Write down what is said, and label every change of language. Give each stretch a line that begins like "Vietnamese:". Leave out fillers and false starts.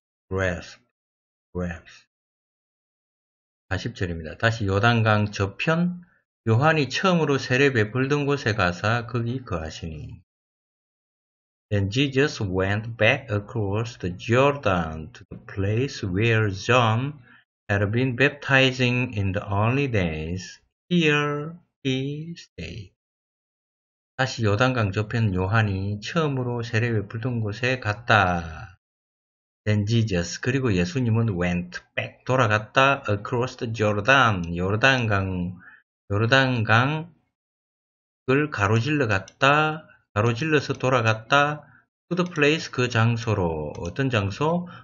English: Grasp.
Korean: 40절입니다. 다시 요단강 저편 요한이 처음으로 세례 베풀던 곳에 가서 거기 거하시니.
English: Then Jesus went back across the Jordan to the place where John had been baptizing in the early days. Here he stayed.
Korean: 다시 요단강 저편 요한이 처음으로 세례 베풀던 곳에 갔다.
English: Then Jesus,
Korean: 그리고 예수님은
English: went back,
Korean: 돌아갔다
English: across the Jordan,
Korean: 요단강을 가로질러서 돌아갔다
English: to the place,
Korean: 그 장소로, 어떤 장소?